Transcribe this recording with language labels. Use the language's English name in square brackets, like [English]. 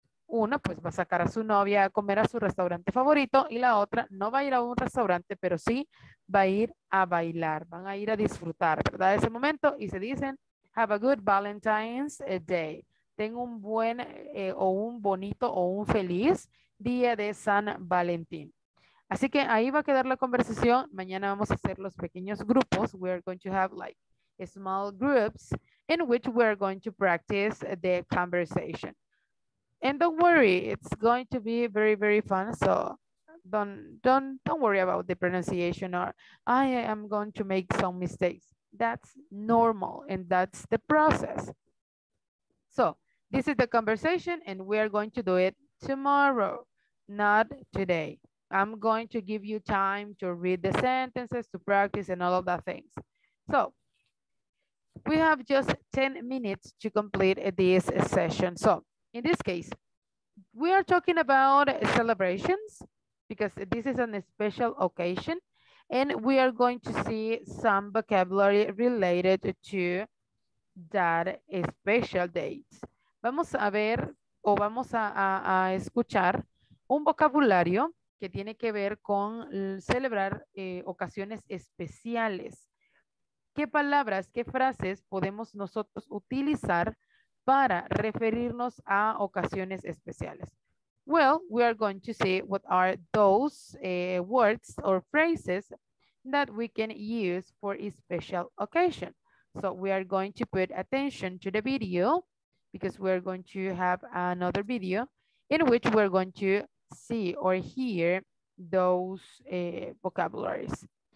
[Spanish] Una, pues va a sacar a su novia a comer a su restaurante favorito, y la otra no va a ir a un restaurante, pero sí va a ir a bailar. Van a ir a disfrutar, ¿verdad? Ese momento, y se dicen, [English] have a good Valentine's Day. [Spanish] Tengo un buen o un bonito o un feliz día de San Valentín. Así que ahí va a quedar la conversación. Mañana vamos a hacer los pequeños grupos. [English] We are going to have like small groups in which we are going to practice the conversation. And don't worry, it's going to be very, very fun. So don't worry about the pronunciation or I am going to make some mistakes. That's normal and that's the process. So this is the conversation and we are going to do it tomorrow, not today. I'm going to give you time to read the sentences, to practice and all of the things. So we have just 10 minutes to complete this session. So in this case, we are talking about celebrations because this is a special occasion, and we are going to see some vocabulary related to that special date. [Spanish] Vamos a ver o vamos a escuchar un vocabulario que tiene que ver con celebrar ocasiones especiales. ¿Qué palabras, qué frases podemos nosotros utilizar para referirnos a ocasiones especiales? [English] Well, we are going to see what are those words or phrases that we can use for a special occasion. So we are going to put attention to the video because we are going to have another video in which we're going to see or hear those vocabularies.